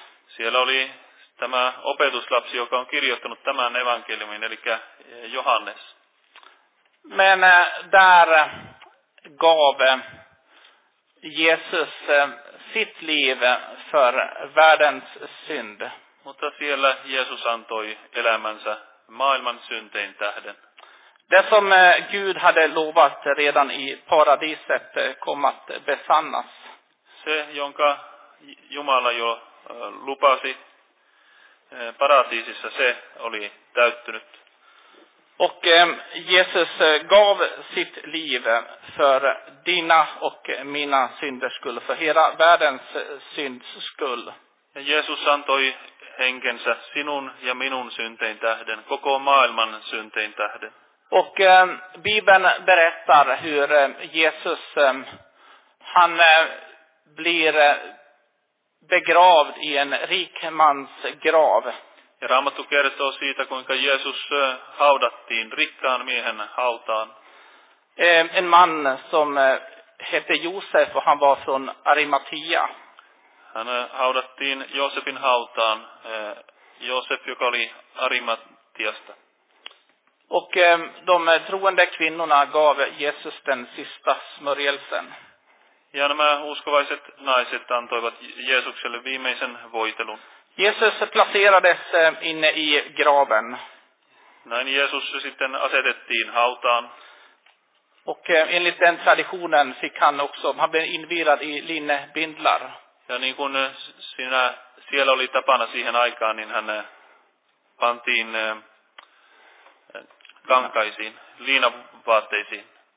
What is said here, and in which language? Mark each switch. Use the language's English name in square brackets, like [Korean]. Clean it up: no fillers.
[Finnish] Siellä oli tämä opetuslapsi, joka on kirjoittanut tämän evankeliumin, eli Johannes. [Swedish] Men där gav Jesus sitt liv för världens synd. [Finnish] Mutta siellä Jeesus antoi elämänsä maailman syntein tähden. [Swedish] Det som Gud hade lovat redan i paradiset kom att besannas. [Finnish] Se, jonka Jumala jo lupasi paratiisissa, se oli täyttynyt. [Swedish] Och Jesus gav sitt liv för dina och mina synders skull, för hela världens synds skull. [Finnish] Ja Jesus antoi henkensä sinun ja minun syntein tähden, koko maailman syntein tähden. [Swedish] Och Bibeln berättar hur Jesus han blir begravd i en rikmans grav. [Finnish] Ja Raamattu kertoo siitä, kuinka Jeesus haudattiin rikkaan miehen hautaan. [Swedish] En man som hette Josef och han var från Arimatia. [Finnish] Hän haudattiin Joosefin hautaan. Joosef, joka oli Arimatiasta. [Swedish] Och de troende kvinnorna gav Jesus den sista smörjelsen. [Finnish] Ja nämä uskovaiset naiset antoivat Jeesukselle viimeisen voitelun. [Swedish] Jesus placerades inne i graven. [Finnish] Näin Jeesus sitten asetettiin hautaan. [Swedish] Och enligt den traditionen fick han också, han blev invirad i linnebindlar. [Finnish] Ja niin kuin siinä, siellä oli tapana siihen aikaan, niin hän pantiin kankaisiin, liinavaatteisiin.